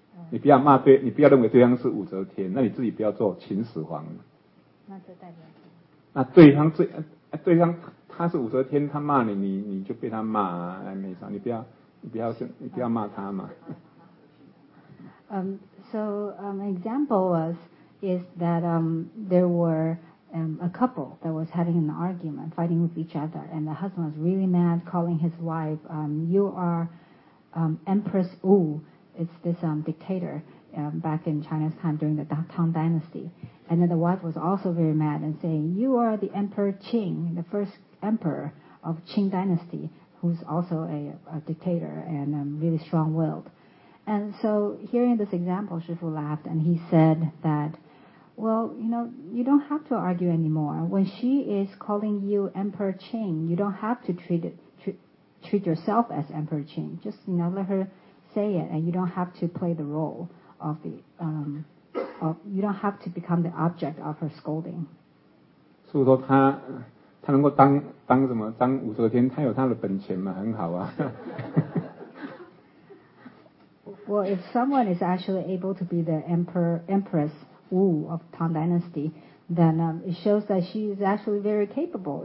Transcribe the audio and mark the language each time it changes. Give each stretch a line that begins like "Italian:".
Chinese: 你不要骂对，你不要认为对方是武则天，那你自己不要做秦始皇，那就代表什么？那对方他是武则天，他骂你，你就被他骂啊，没啥，你不要骂他嘛。
English: An example is that there were a couple that was having an argument, fighting with each other, and the husband was really mad, calling his wife, "You are Empress Wu." It's this dictator back in China's time during the Tang Dynasty. And then the wife was also very mad and saying, you are the Emperor Qing, the first emperor of Qing Dynasty, who's also a dictator and really strong-willed. And so hearing this example, Shifu laughed, and he said that, well, you know, you don't have to argue anymore. When she is calling you Emperor Qing, you don't have to treat yourself as Emperor Qing. Just, you know, let her say it, and you don't have to play the role of the... you don't have to become the object of her scolding.
Chinese: 是说他能够当什么当武则天，他有他的本钱嘛，很好啊。
English: Well, if someone is actually able to be the Empress Wu of Tang Dynasty, then it shows that she is actually very capable.